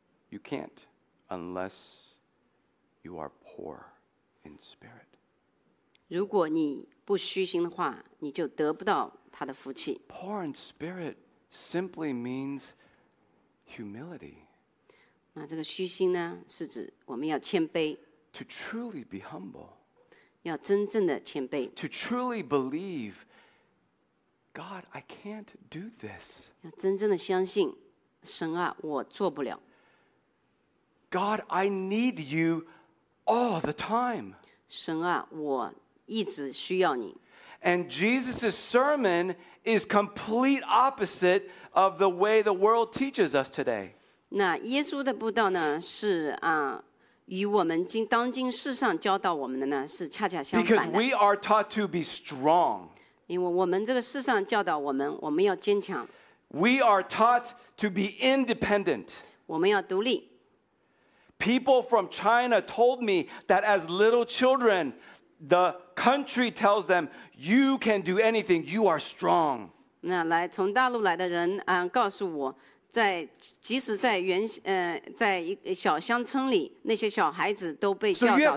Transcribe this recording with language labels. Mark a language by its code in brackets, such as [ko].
[en] You can't unless you are poor in spirit. [zh] 如果你不虚心的话，你就得不到他的福气。 [en] Poor in spirit simply means. Humility. [zh] 那这个虚心呢，是指我们要谦卑。 [en] To truly be humble. [zh] 要真正的谦卑。 [en] To truly believe, God, I can't do this. [zh] 要真正的相信，神啊，我做不了。 [en] God, I need you all the time. [zh] 神啊，我一直需要你。 [en] And Jesus' sermon is complete opposite of the way the world teaches us today. [zh] 那耶稣的布道呢是啊与我们今当今世上教导我们的呢是恰恰相反的。 [en] Because we are taught to be strong. [zh] 因为我们这个世上教导我们，我们要坚强。 [en] We are taught to be independent. [zh] 我们要独立。 [en] People from China told me that as little children, the country tells them, "You can do anything. You are strong." [zh] 那来从大陆来的人啊，告诉我。在即使在原在小乡村里，那些小孩子都被教导说，